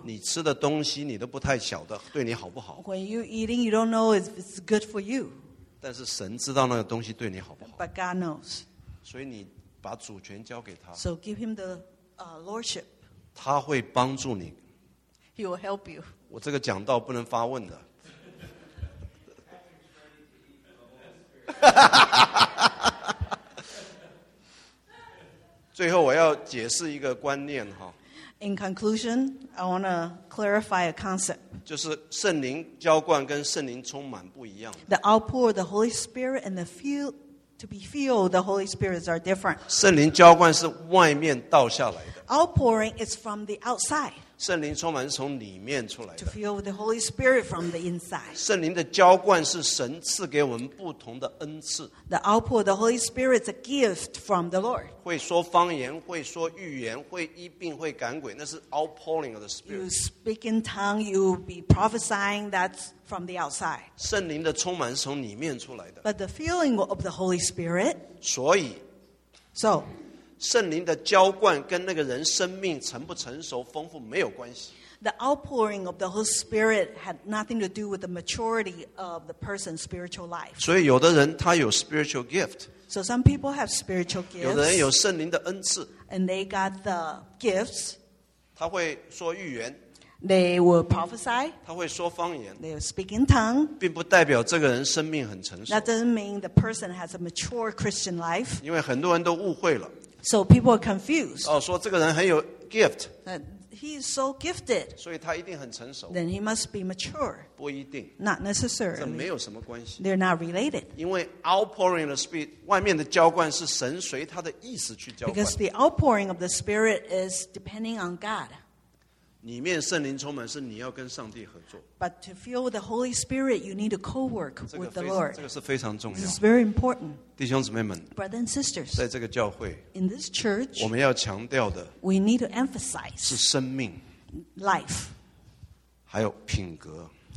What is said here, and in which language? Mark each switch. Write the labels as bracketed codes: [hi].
[zh] 你吃的东西你都不太晓得对你好不好。 [en] When you're eating, you don't know if it's good for you. [zh] 但是神知道那个东西对你好不好。 [en] But God knows. [zh] 所以你把主权交给他。 [en] So give him the lordship. [zh] 他会帮助你。 [en] He will help you. [zh] 我这个讲道不能发问的。最后我要解释一个观念哈。 [en] In conclusion, I want to clarify a concept. [zh] 就是圣灵浇灌跟圣灵充满不一样。 [en] The outpour of the Holy Spirit and the feel to be filled the Holy Spirit are different. [zh] 圣灵浇灌是外面倒下来的。 [en] Outpouring is from the outside. [zh] 圣灵充满是从里面出来的。 [en] To fill the Holy Spirit from the inside. [zh] 圣灵的浇灌是神赐给我们不同的恩赐。 [en] The outpour of the Holy Spirit is a gift from the Lord. [zh] 会说方言，会说预言，会医病，会赶鬼，那是 [en] outpouring of the Spirit. You speak in tongue, you be prophesying, that's from the outside. [zh] 圣灵的充满是从里面出来的。 [en] But the filling of the Holy Spirit. [zh] 所以。 [en] So. [zh] 圣灵的浇灌跟那个人生命成不成熟丰富没有关系。 [en] The outpouring of the Holy Spirit had nothing to do with the maturity of the person's spiritual life. [zh] 所以有的人他有 [en] spiritual gift. So some people have spiritual gifts. [zh] 有的人有圣灵的恩赐。 [en] And they got the gifts. [zh] 他会说预言。 [en] They will prophesy. [zh] 他会说方言。 [en] They will speak in tongue. [zh] 并不代表这个人生命很成熟。 [en] That doesn't mean the person has a mature Christian life. [zh] 因为很多人都误会了。 [en] So people are confused. [zh] 哦，说这个人很有 gift. [en] That he is so gifted. [zh] 所以他一定很成熟。 [en] Then he must be mature. [zh] 不一定。 [en] Not necessary. [zh] 这没有什么关系。 [en] They're not related. [zh] 因为 [en] outpouring of the spirit, [zh] 外面的浇灌是神随他的意思去浇灌。 [en] Because the outpouring of the spirit is depending on God. [zh] 里面圣灵充满是你要跟上帝合作。 [en] But to feel the Holy Spirit, you need to co-work with the Lord. [zh] 这个是非常重要。 [en] This is very important. [zh] 弟兄姊妹们 [en] Brothers and sisters, [zh] 在这个教会 [en] in this church, [zh] 我们要强调的 [en] we need to emphasize [zh] 是生命 [en] life [zh] 还有品格